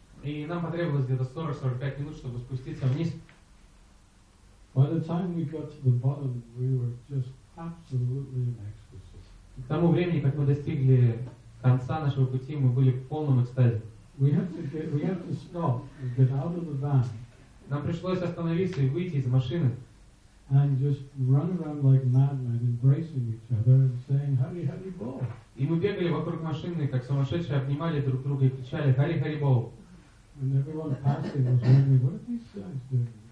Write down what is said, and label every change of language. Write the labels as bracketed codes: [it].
[ru] И нам потребовалось где-то 40-45 минут, чтобы спуститься вниз. [en] By the time we got to the bottom, we were just absolutely in ecstasy. [ru] К тому времени, как мы достигли конца нашего пути, мы были в полном экстазе. [en] We have to stop and get out of the van. [ru] Нам пришлось остановиться и выйти из машины. [en] And just run around like madmen, embracing each other and saying, "Hari Hari Bol." [ru] И мы бегали вокруг машины, как сумасшедшие, обнимали друг друга и кричали, "Hari Hari Bol." [en] And everyone passing was wondering, "What are these guys doing?"